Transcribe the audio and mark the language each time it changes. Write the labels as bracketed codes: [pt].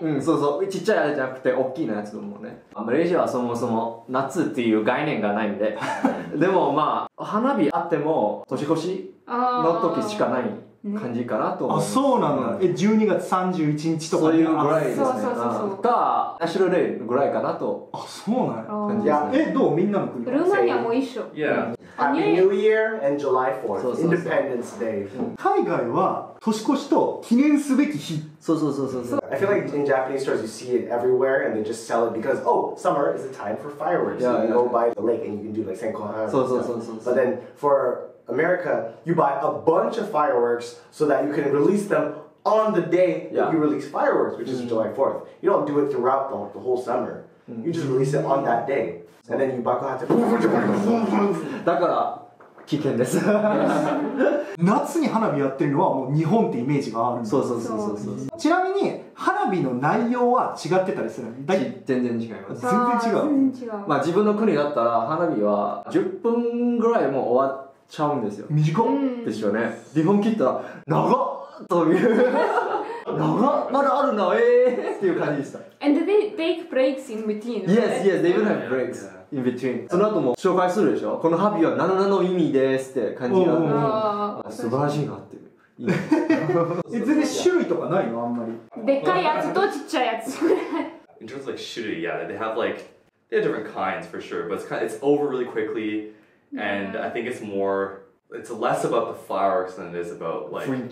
[ja] うん、そうそう、ちっちゃいやつじゃなくて大きいのやつと思うね。マレーシアはそもそも夏っていう概念がないんででもまあ花火あっても年越しの時しかない感じかなと思います。あ、そうなんだ。12月31日とか、ね、そういうぐらいですね。そうそうそうそう、かナショナルデーぐらいかなと。あ、そうなんだ、ね。え、どう、みんなの国ルーマニアも一緒。 [en] Yeah. Happy New Year and July 4th, Independence Day. [ja] 海外は年越しと記念すべき日。そうそうそうそうそう。 [en] I feel like in Japanese stores you see it everywhere and they just sell it because, oh, summer is the time for fireworks. Yeah, so you yeah. go by the lake and you can do like Senkoha. [ja] そうそうそうそう。 [en] But then for America, you buy a bunch of fireworks so that you can release them on the day that you release fireworks, which is July 4th. You don't do it throughout the whole summer. You just release it on that day. And then you buckle hats and... [ja] だから、危険です。夏に花火やってるのはもう日本ってイメージがある。そうそうそうそうそう。ちなみに、花火の内容は違ってたりする。全然違います。全然違う。全然違う。まあ自分の国だったら花火は10分ぐらいもう終わってちゃうんですよ。短っですよね。日本切ったら長っという長っ、まだあるな、っていう感じでした。 [en] And they take breaks in between, right? Yes, yes, they even have breaks in between. [ja] その後も紹介するでしょ、このハビは何々の意味ですって感じが、 oh, oh, oh. 素晴らしいなっていう。全然種類とかないの、あんまり。でっかいやつとちっちゃいやつ。 [en] In terms of like 種類、yeah, they have like they have different kinds for sure, but it's over really quicklyAnd I think it's less about the fireworks than it is about like